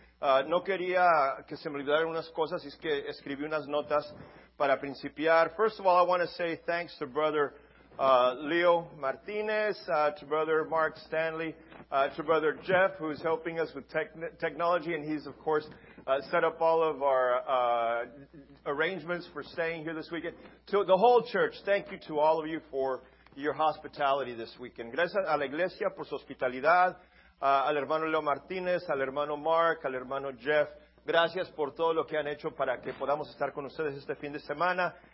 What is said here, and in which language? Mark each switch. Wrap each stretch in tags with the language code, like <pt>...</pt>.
<es>No quería que se me olvidaran unas cosas, es que escribí unas notas para principiar.</es> <en>First of all, I want to say thanks to Brother Leo Martinez, to Brother Mark Stanley, to Brother Jeff, who's helping us with technology, and he's, of course, set up all of our arrangements for staying here this weekend. To the whole church, thank you to all of you for your hospitality this weekend.</en> <es>Gracias a la iglesia por su hospitalidad, al hermano Leo Martinez, al hermano Mark, al hermano Jeff. Gracias por todo lo que han hecho para que podamos estar con ustedes este fin de semana.</es>